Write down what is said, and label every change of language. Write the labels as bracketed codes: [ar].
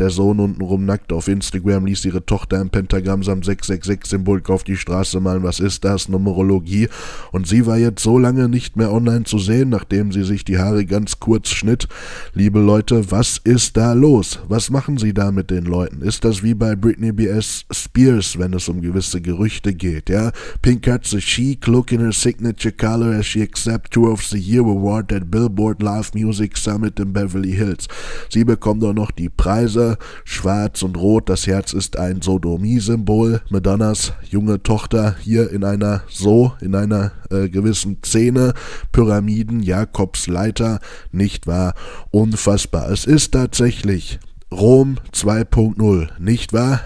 [de] Der Sohn untenrum nackt auf Instagram, ließ ihre Tochter im Pentagramm samt 666-Symbol auf die Straße malen. Was ist das? Numerologie. Und sie war jetzt so lange nicht mehr online zu sehen, nachdem sie sich die Haare ganz kurz schnitt. Liebe Leute, was ist da los? Was machen sie da mit den Leuten? Ist das wie bei Britney B.S. Spears, wenn es um gewisse Gerüchte geht, ja? [en] Pink hat the chic look in her signature color as she accepts Tour of the Year Award at Billboard Live Music Summit in Beverly Hills. [de] Sie bekommt auch noch die Preise, schwarz und rot, das Herz ist ein Sodomie-Symbol, Madonnas junge Tochter hier in einer gewissen Szene, Pyramiden, Jakobsleiter, nicht wahr? Unfassbar. Es ist tatsächlich Rom 2.0, nicht wahr?